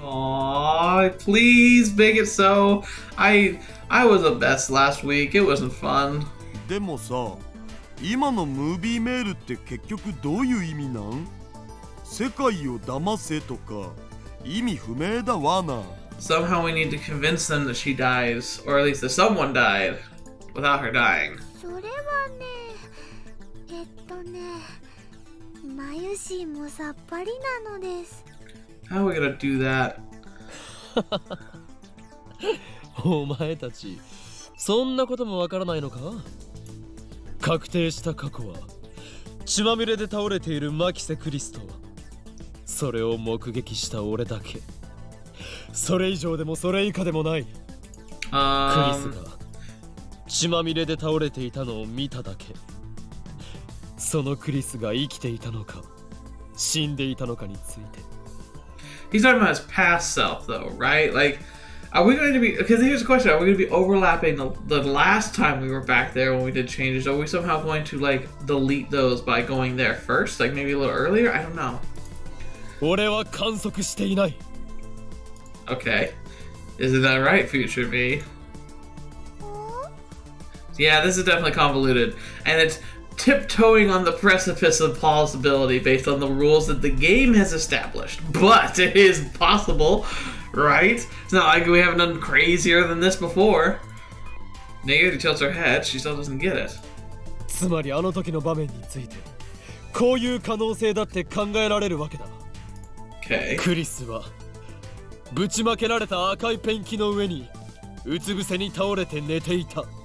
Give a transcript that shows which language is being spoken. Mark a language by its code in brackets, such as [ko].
[en] Aww, please make it so. I was the best last week. It wasn't fun. [ja] でもさ、今のムービーメールって結局どういう意味なん？世界を騙せとか意味不明だわな。 [en] Somehow we need to convince them that she dies, or at least that someone died, without her dying. [ja] それはね、マユシーもさっぱりなのです。 [en] How are we gonna do that? [ja] お前たち、そんなこともわからないのか？確定した過去は、血まみれで倒れているマキセ・クリスト。それを目撃した俺だけ。それ以上でもそれ以下でもない。クリスが血まみれで倒れていたのを見ただけ。そのクリスが生きていたのか、死んでいたのかについて。 [en] He's talking about his past self, though, right? Like, are we going to be... Because here's the question. Are we going to be overlapping the last time we were back there when we did changes? Are we somehow going to, like, delete those by going there first? Like, maybe a little earlier? I don't know. [ja] 俺は観測していない。 [en] Okay. Isn't that right, future me? Yeah, this is definitely convoluted. And it's tiptoeing on the precipice of plausibility based on the rules that the game has established. But it is possible, right? It's not like we haven't done crazier than this before. Nayuri tilts her head. She still doesn't get it. [ja] つまりあの時の場面についてこういう可能性だって考えられるわけだ。 [en] Okay. [ja] クリスはぶちまけられた赤いペンキの上にうつ伏せに倒れて寝ていた。